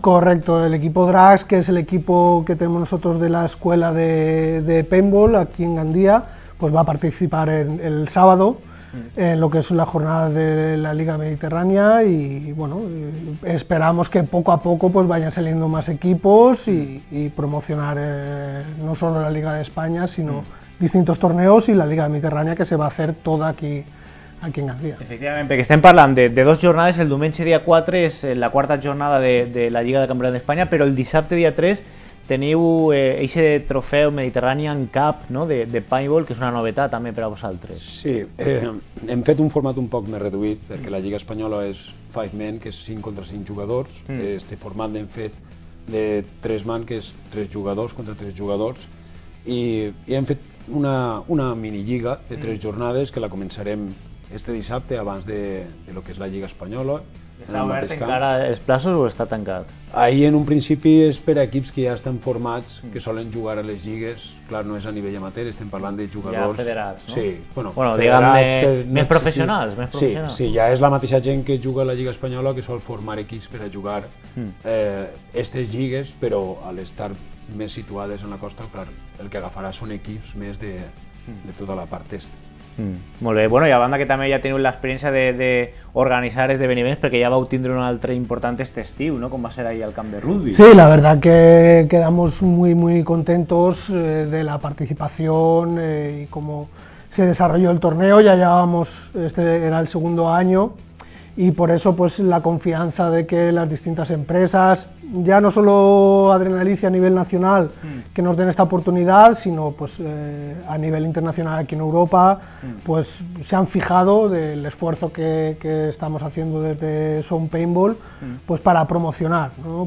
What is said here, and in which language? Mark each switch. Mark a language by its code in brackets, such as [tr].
[es] Correcto, el equipo Drags, que es el equipo que tenemos nosotros de la escuela de paintball aquí en Gandía, pues va a participar el sábado en lo que es la jornada de la Liga Mediterránea, y bueno, esperamos que poco a poco pues vayan saliendo más equipos y promocionar no solo la Liga de España, sino distintos torneos y la Liga Mediterránea, que se va a hacer toda aquí en Gandía. [ca] Efectivamente, que estén parlando de dos jornadas, el diumenge día 4 es la cuarta jornada de la Liga de Campeones de España, pero el dissabte día 3 teniu ese trofeu Mediterranean Cup, no? de Paintball, que és una novetat també per a vosaltres. Sí, hem fet un format un poc més reduït, perquè la Lliga Espanyola és 5-man, que és 5 contra 5 jugadors. Este format l'hem fet de 3-man, que és 3 jugadors contra 3 jugadors. I hem fet una minilliga de 3 jornades, que la començarem este dissabte, abans de lo que és la Lliga Espanyola. Està obert encara els plaços o està tancat? Ahir, en un principi, és per a equips que ja estan formats, que solen jugar a les lligues. Clar, no és a nivell amateur, estem parlant de jugadors... Ja federats, no? Sí, Federats, més professionals. Sí, ja és la mateixa gent que juga a la Lliga Espanyola que sol formar equips per a jugar aquestes lligues, però a l'estar més situades en la costa, clar, el que agafarà són equips més de tota la part est. Molt bé, bueno, i a banda que també ja teniu l'experiència d'organitzar esdeveniments, perquè ja vau tindre un altre important este estiu, no? Com va ser ahir al camp de rugby. [es] Sí, la verdad que quedamos muy, muy contentos de la participación y cómo se desarrolló el torneo. Ya llevábamos, este era el segundo año, y por eso pues la confianza de que las distintas empresas, ya no solo Adrenalicia a nivel nacional, que nos den esta oportunidad, sino pues a nivel internacional aquí en Europa, pues se han fijado del esfuerzo que estamos haciendo desde Sound Paintball, pues para promocionar, ¿no?